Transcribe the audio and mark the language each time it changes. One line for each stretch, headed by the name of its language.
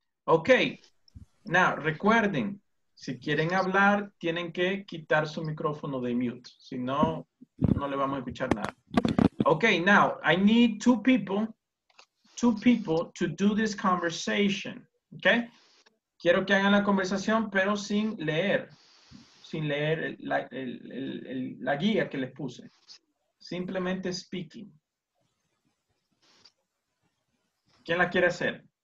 English: Okay, now
Spanish: recuerden, si quieren hablar, tienen que quitar su micrófono de mute. Si no, no le vamos a escuchar nada.
English: Okay, now I need two people to do this conversation, okay?
Spanish: Quiero que hagan la conversación, pero sin leer la guía que les puse. Simplemente
English: speaking.
Spanish: ¿Quién la quiere hacer?